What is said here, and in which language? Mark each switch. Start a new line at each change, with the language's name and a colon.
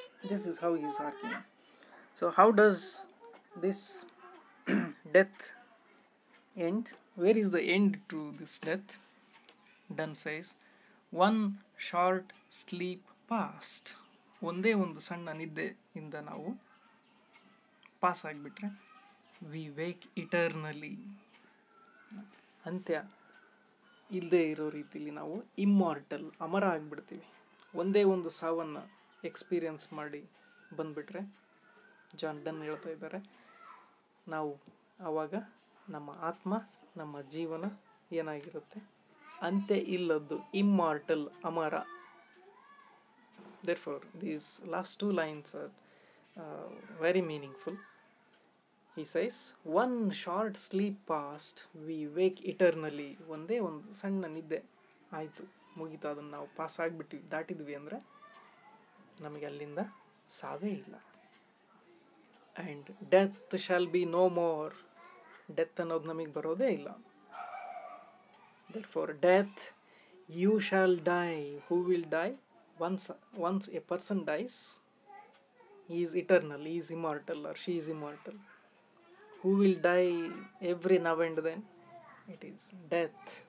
English: This is how he is arguing. So how does this death end? Where is the end to this death? Donne says one short sleep past,
Kannada: ಒಂದೇ ಒಂದು ಸಣ್ಣ ನಿದ್ದೆಯಿಂದ ನಾವು pass ಆಗಿಬಿಟ್ರೆ
English: we wake eternally,
Kannada: ಅಂತ್ಯ ಇಲ್ಲದೆ ಇರೋ ರೀತಿಯಲ್ಲಿ ನಾವು ಇಮ್ಮಾರ್ಟಲ್, ಅಮರ ಆಗಿಬಿಡ್ತೀವಿ. ಒಂದೇ ಒಂದು ಸಾವನ್ನು ಎಕ್ಸ್ಪೀರಿಯನ್ಸ್ ಮಾಡಿ ಬಂದುಬಿಟ್ರೆ, ಜಾನ್ ಡನ್ ಹೇಳ್ತಾ ಇದ್ದಾರೆ, ನಾವು ಆವಾಗ ನಮ್ಮ ಆತ್ಮ, ನಮ್ಮ ಜೀವನ ಏನಾಗಿರುತ್ತೆ? ಅಂತೆ ಇಲ್ಲದ್ದು, immortal, Amara.
English: Therefore these last two lines are very meaningful. He says one short sleep past we wake eternally,
Kannada: ಒಂದೇ ಒಂದು ಸಣ್ಣ ನಿದ್ದೆ ಆಯಿತು ಮುಗಿತು, ಅದನ್ನು ನಾವು ಪಾಸ್ ಆಗಿಬಿಟ್ಟು ದಾಟಿದ್ವಿ ಅಂದರೆ ನಮಗೆ ಅಲ್ಲಿಂದ ಸಾವೇ ಇಲ್ಲ.
English: and death shall be no more,
Kannada: death ಅನ್ನೋದು ನಮಗೆ ಬರೋದೇ ಇಲ್ಲ.
English: Therefore, death, you shall die. Who will die? Once a person dies, he is eternal, he is immortal, or she is immortal. Who will die every now and then? It is death.